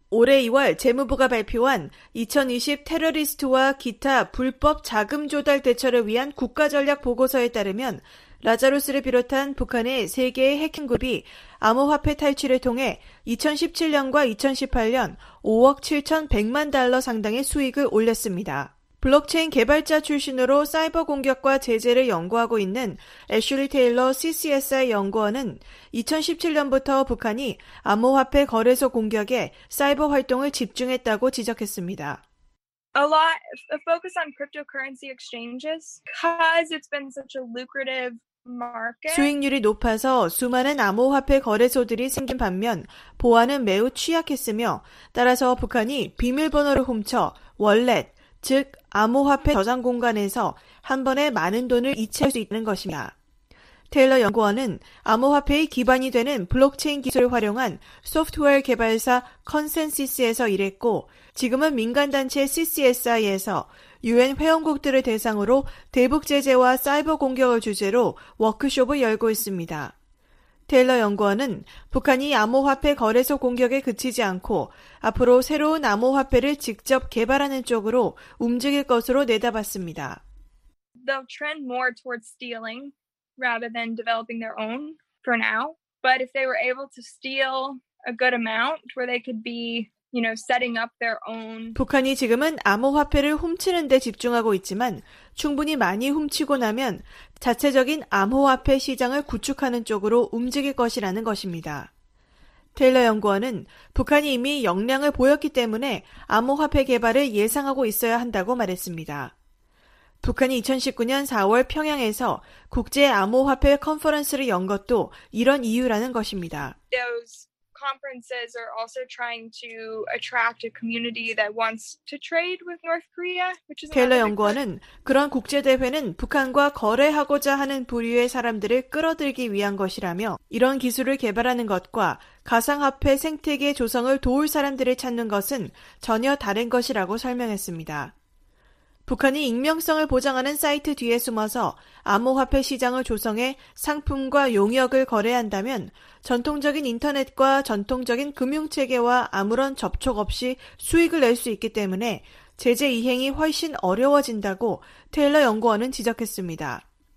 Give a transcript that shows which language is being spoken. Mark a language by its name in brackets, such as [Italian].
[Korean] 올해 2월 재무부가 발표한 2020 테러리스트와 기타 불법 자금 조달 대처를 위한 국가전략 보고서에 따르면 라자루스를 비롯한 북한의 3개의 해킹그룹이 암호화폐 탈취를 통해 2017년과 2018년 5억 7,100만 달러 상당의 수익을 올렸습니다. 블록체인 개발자 출신으로 사이버 공격과 제재를 연구하고 있는 애슐리 테일러 CCSI 연구원은 2017년부터 북한이 암호화폐 거래소 공격에 사이버 활동을 집중했다고 지적했습니다. [English] A lot of focus on cryptocurrency exchanges because it's been such a lucrative market. [Korean] 수익률이 높아서 수많은 암호화폐 거래소들이 생긴 반면 보안은 매우 취약했으며 따라서 북한이 비밀번호를 훔쳐 월렛, 즉 암호화폐 저장 공간에서 한 번에 많은 돈을 이체할 수 있는 것입니다. 테일러 연구원은 암호화폐의 기반이 되는 블록체인 기술을 활용한 소프트웨어 개발사 컨센시스에서 일했고 지금은 민간단체 CCSI에서 UN 회원국들을 대상으로 대북 제재와 사이버 공격을 주제로 워크숍을 열고 있습니다. 테일러 연구원은 북한이 암호화폐 거래소 공격에 그치지 않고 앞으로 새로운 암호화폐를 직접 개발하는 쪽으로 움직일 것으로 내다봤습니다. [English] They'll trend more towards stealing rather than developing their own for now. But if they were able to steal a good amount where they could be, you know, setting up their own. [Korean] 북한이 지금은 암호화폐를 훔치는 데 집중하고 있지만 충분히 많이 훔치고 나면 자체적인 암호화폐 시장을 구축하는 쪽으로 움직일 것이라는 것입니다. 테일러 연구원은 북한이 이미 역량을 보였기 때문에 암호화폐 개발을 예상하고 있어야 한다고 말했습니다. 북한이 2019년 4월 평양에서 국제 암호화폐 컨퍼런스를 연 것도 이런 이유라는 것입니다. [English] Those conferences are also trying to attract a community that wants to trade with North Korea, which is [Korean] 테일러 연구원은 그런 국제 대회는 북한과 거래하고자 하는 부류의 사람들을 끌어들이기 위한 것이라며 이런 기술을 개발하는 것과 가상화폐 생태계 조성을 도울 사람들을 찾는 것은 전혀 다른 것이라고 설명했습니다. 북한이 익명성을 보장하는 사이트 뒤에 숨어서 암호화폐 시장을 조성해 상품과 용역을 거래한다면 전통적인 인터넷과 전통적인 금융체계와 아무런 접촉 없이 수익을 낼 수 있기 때문에 제재 이행이 훨씬 어려워진다고 테일러 연구원은 지적했습니다.